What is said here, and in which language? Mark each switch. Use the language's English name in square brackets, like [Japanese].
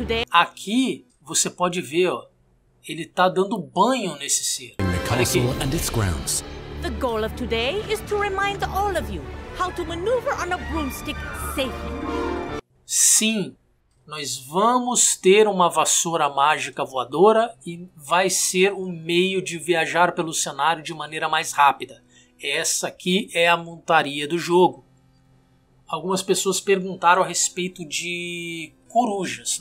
[Portuguese] Aqui você pode ver, ó, ele está dando banho nesse ser. [English] The castle and its grounds. The goal of today is to remind all of you how to maneuver on a broomstick safely. [Portuguese] Sim. Nós vamos ter uma vassoura mágica voadora e vai ser um meio de viajar pelo cenário de maneira mais rápida. Essa aqui é a montaria do jogo. Algumas pessoas perguntaram a respeito de corujas.